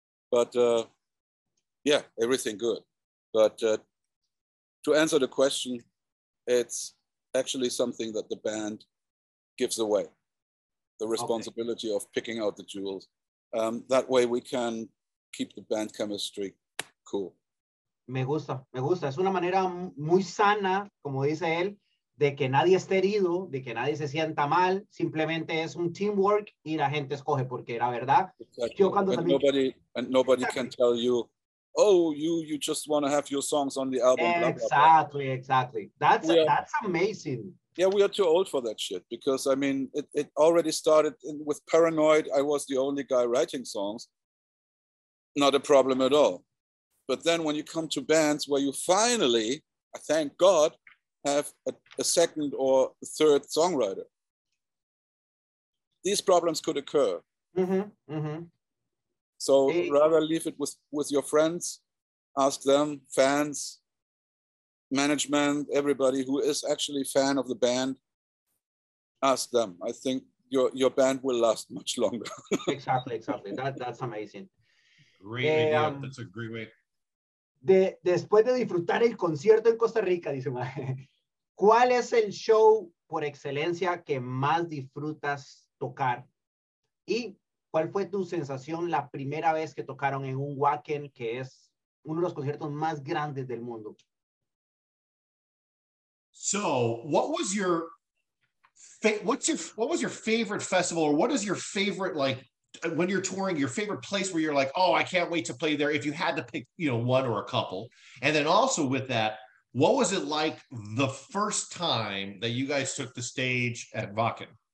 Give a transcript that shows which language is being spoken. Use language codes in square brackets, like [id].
[en] But yeah, everything good. But to answer the question, it's actually something that the band gives away, the responsibility of picking out the jewels. That way we can keep the band chemistry cool. [es] Me gusta, es una manera muy sana, como dice él, de que nadie esté herido, de que nadie se sienta mal, simplemente es un teamwork y la gente escoge, porque la verdad, yo cuando también... [en] And nobody can tell you, oh, you just want to have your songs on the album. Exactly. That's amazing. Yeah, we are too old for that shit, because I mean, it already started with Paranoid. I was the only guy writing songs. Not a problem at all. But then when you come to bands where you finally, thank God, have a second or a third songwriter, these problems could occur. So rather leave it with your friends, ask them, fans, management, everybody who is actually a fan of the band, ask them. I think your band will last much longer. Exactly. That's amazing. Great. That's a great way. [es] Después de disfrutar el concierto en Costa Rica, dice, ¿cuál es el show por excelencia que más disfrutas tocar? ¿Y cuál fue tu sensación la primera vez que tocaron en un Wacken, que es uno de los conciertos más grandes del mundo? [en] So, what was your favorite festival, or what is your favorite, like, when you're touring, your favorite place where you're like, oh, I can't wait to play there, if you had to pick, you know, one or a couple? And then also with that, what was it like the first time that you guys took the stage at Wacken?